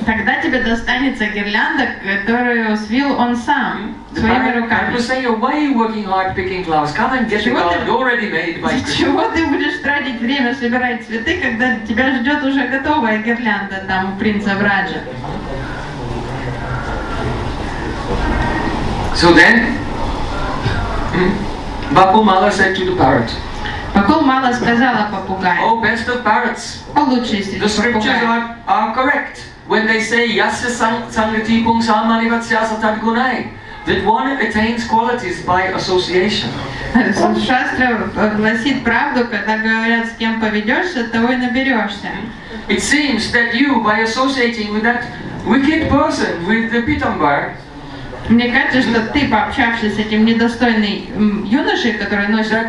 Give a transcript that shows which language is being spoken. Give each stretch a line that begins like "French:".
Russian: Тогда тебе достанется гирлянда, которую свил он сам. Своими руками.
English: I'm saying, why are you working hard picking flowers? Come and get a garland already made by Krishna.
Russian: Чего ты будешь тратить время собирать цветы, когда тебя ждет уже готовая гирлянда там у принца Браджа?
English: So then, Bakul Mala said to the parrot.
Russian: Bakul Mala сказала попугаю.
English: Oh, best of parrots.
Russian: О лучший из попугаев.
English: The scriptures are correct when they say
Sanskrit: yasya sangati pungsa manivatsya satad gunai,
English: that one attains qualities by association.
Russian: Шастра гласит правду, когда говорят, с кем поведешься, того и наберешься.
English: It seems that you, by associating with that wicked person, with the Pitambar.
Russian: Мне кажется, что ты, пообщавшись с этим недостойным юношей, который носит